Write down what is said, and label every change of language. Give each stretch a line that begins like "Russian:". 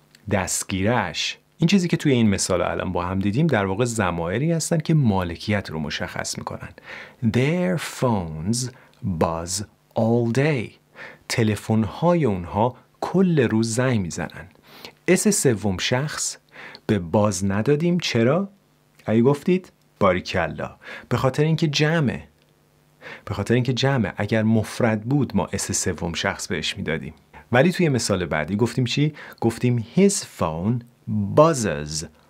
Persian: دستگیرش. این چیزی که توی این مثال الان با هم دیدیم در واقع ضمایری هستن که مالکیت رو مشخص میکنن.
English: Their phones buzz all day.
Persian: تلفن های اونها کل روز زنگ میزنن. اس سوم شخص به باز ندادیم. چرا؟ ای گفتید باریکلا، به خاطر اینکه جمعه. اگر مفرد بود ما اس سوم شخص بهش میدادیم. ولی توی مثال بعدی گفتیم چی؟ گفتیم
English: his phone buzzes